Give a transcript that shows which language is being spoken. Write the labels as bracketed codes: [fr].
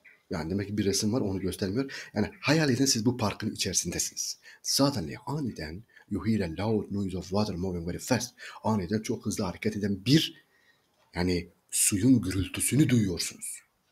[tr] Yani demek ki bir resim var, onu göstermiyor. Yani hayal edin siz bu parkın içerisindesiniz. [en] Suddenly, [tr] aniden [en] you hear a loud noise of water moving very fast. [tr] Aniden çok hızlı hareket eden bir yani suyun gürültüsünü duyuyorsunuz.